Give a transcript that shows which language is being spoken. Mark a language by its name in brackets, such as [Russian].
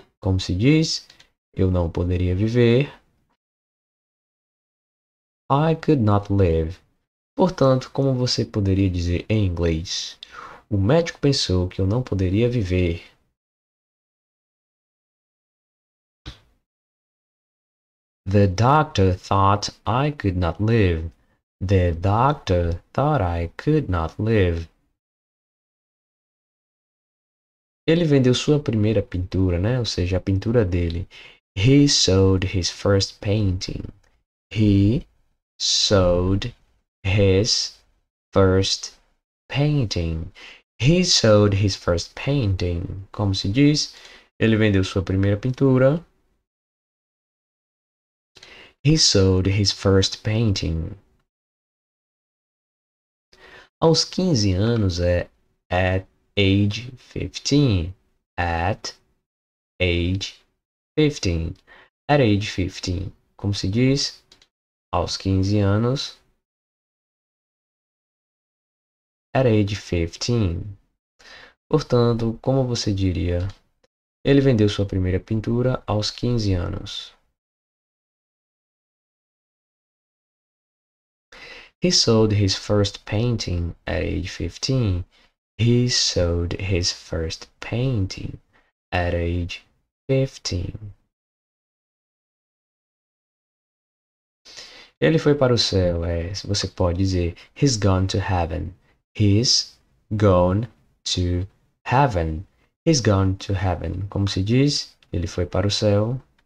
[Portuguese] Como se diz, eu não poderia viver. [English] I could not live. [Portuguese] Portanto, como você poderia dizer em inglês? O médico pensou que eu não poderia viver. [English] The doctor thought I could not live. The doctor thought I could not live. [Portuguese] Ele vendeu sua primeira pintura, né? Ou seja, a pintura dele. [English] He sold his first painting. He sold his first painting. He sold his first painting. [Portuguese] Como se diz? Ele vendeu sua primeira pintura. [English] He sold his first painting. [Portuguese] Aos 15 anos é [English] at age 15. At age 15. At age 15. [Portuguese] Como se diz? Aos 15 anos. [English] At age 15. [Portuguese] Portanto, como você diria? Ele vendeu sua primeira pintura aos 15 anos. [English] He sold his first painting at age 15. He sold his first painting at age 15. [Portuguese] Ele foi para o céu, você pode dizer, [English] he's gone to heaven. He's gone to heaven. He's gone to heaven. [Portuguese] Como se diz? Ele foi para o céu.